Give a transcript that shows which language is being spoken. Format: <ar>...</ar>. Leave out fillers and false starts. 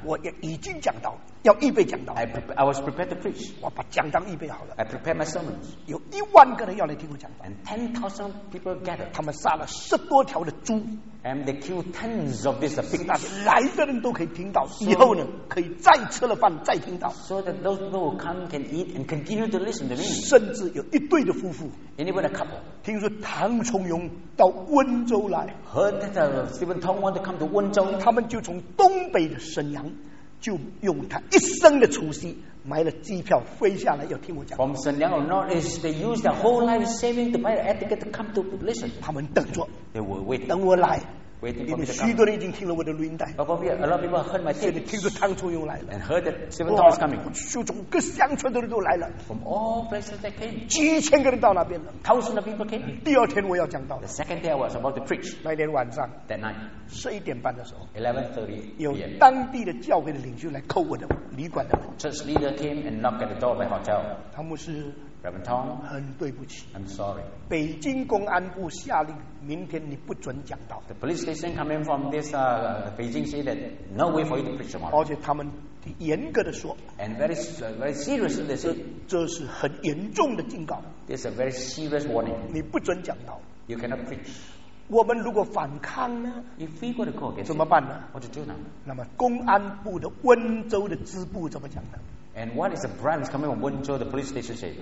<zh>我已经讲道要预备讲道</zh> <en>I was prepared to preach.</en> <zh>我把讲道预备好了</zh> <en>I prepared my sermons.</en> <zh>有一万个人要来听我讲道</zh> <en>And 10,000 people gathered.</en> <zh>他们杀了十多条的猪</zh> <en>And they killed tens of these pigs.</en> <zh>来的人都可以听到 以后呢可以再吃了饭再听到</zh> <en>So that those who come can eat and continue to listen to me.</en> <zh>甚至有一对的夫妇</zh> <en>Anyone a couple?</en> <zh>听说他唐崇荣到温州来</zh> <en>Heard that Stephen Tong wanted to come to 温州</en> <zh>他们就从东北的沈阳就用他一生的储蓄买了机票飞下来要听我讲</zh> <en>From 沈阳 or not is they used their whole life saving to buy the ticket to come to listen</en> <zh>他们等着</zh> <en>They were waiting</en> <zh>等我来</zh> <en>Waiting for me to come</en> <zh>许多人已经听了我的录音带</zh> <en>Probably a lot of people heard my tapes</en> <zh>现在听说唐崇荣来了</zh> <en>And heard that Stephen Tong is coming</en> <zh>就从各乡村的人都来了</zh> <en>From all places that came</en> <zh>几千个人到那边了</zh> <en>Thousands of people came</en> <zh>第二天我要讲道</zh> <en>The second day I was about to preach</en> <zh>那天晚上</zh> <en>That night</en> <zh>11:30的时候</zh> <en>11:30</en> <zh>有当地的教会的领袖来叩我的旅馆的门</zh> <en>Church leader came and knocked at the door of my hotel</en> <zh>唐牧师</zh> <en>Reverend Tong,</en> <zh>很对不起</zh> <en>I'm sorry.</en> <zh>北京公安部下令明天你不准讲道</zh> <en>The police station coming from this Beijing say that no way for you to preach tomorrow.</en> <zh>而且他们严格的说</zh> <en>And very seriously they said</en> <zh>这是很严重的警告</zh> <en>This is a very serious warning.</en> <zh>你不准讲道</zh> <en>You cannot preach.</en> <zh>我们如果反抗呢</zh> <en>If we go to court,</en> <zh>怎么办呢</zh> <en>What to do now?</en> <zh>那么公安部的温州的支部怎么讲呢</zh> <en>And what is the branch coming from 温州 the police station say?</en>